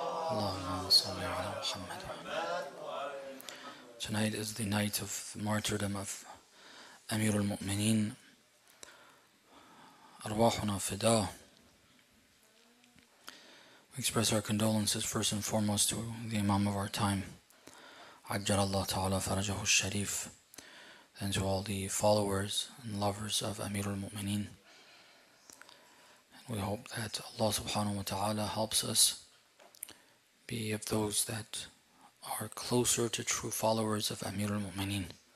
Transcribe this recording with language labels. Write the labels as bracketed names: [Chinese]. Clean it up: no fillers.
[Arabic] اللهم صل على محمد. [English] Tonight is the night of martyrdom of [Arabic] أمير المؤمنين، أرواحنا فداه. [English] We express our condolences first and foremost to the Imam of our time, [Arabic] عجل الله تعالى فرجه الشريف, [English] and to all the followers and lovers of Amir al-Mu'mineen. We hope that Allah subhanahu wa ta'ala helps us be of those that are closer to true followers of Amir al-Mu'mineen.